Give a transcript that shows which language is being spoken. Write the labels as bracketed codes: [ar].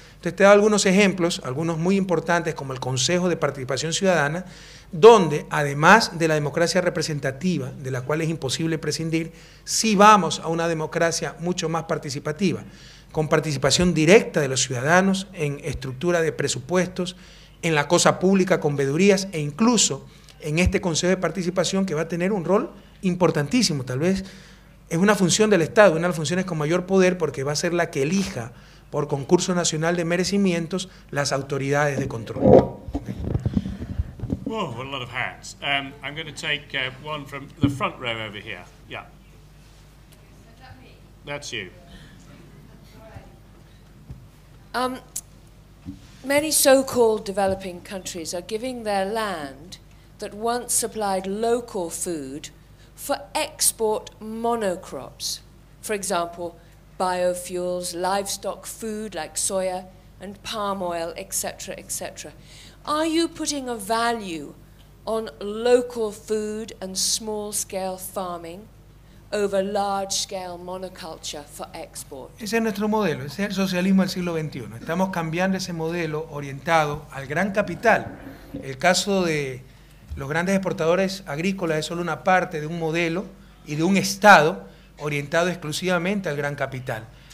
[es] Entonces, te he dado algunos ejemplos, algunos muy importantes, como el Consejo de Participación Ciudadana, donde, además de la democracia representativa, de la cual es imposible prescindir, sí vamos a una democracia mucho más participativa, con participación directa de los ciudadanos en estructura de presupuestos, en la cosa pública con vedurías e incluso en este Consejo de Participación que va a tener un rol importantísimo. Tal vez es una función del Estado, una de las funciones con mayor poder porque va a ser la que elija por concurso nacional de merecimientos las autoridades de control. [en] Oh, what a lot of hands. I'm going to take one from the front row over here. Yeah. Is that me? That's you. Many so-called developing countries are giving their land that once supplied local food for export monocrops, for example, biofuels, livestock food like soya and palm oil, etc., etc. Are you putting a value on local food and small-scale farming over large-scale monoculture for export? [es] Ese es nuestro modelo, ese es el socialismo del siglo XXI. Estamos cambiando ese modelo orientado al gran capital. El caso de los grandes exportadores agrícolas es solo una parte de un modelo y de un Estado orientado exclusivamente al gran capital.